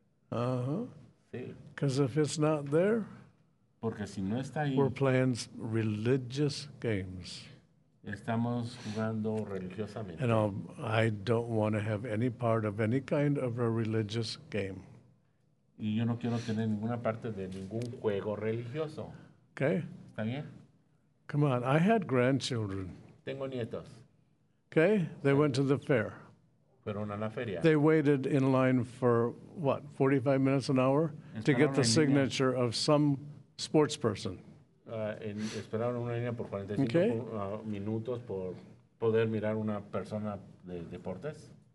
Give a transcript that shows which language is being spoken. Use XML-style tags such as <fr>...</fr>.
<es>Uh-huh. Sí.</es> <en>Because if it's not there,</en> <es>porque si no está ahí,</es> <en>we're playing religious games.</en> <es>Estamos jugando religiosamente.</es> <en>And I don't want to have any part of any kind of a religious game.</en> <es>Y yo no quiero tener ninguna parte de ningún juego religioso.</es> <en>Okay.</en> <es>¿Está bien?</es> <en>Come on, I had grandchildren.</en> <es>Tengo nietos.</es> <en>Okay, they went to the fair.</en> <es>Fueron a la feria.</es> <en>They waited in line for, what, 45 minutes an hour?</en> <es>Esperaron</es> <en>to get the signature of some sports person.</en> <es>Esperaron una línea por 45 minutos por poder mirar una persona de deportes.</es>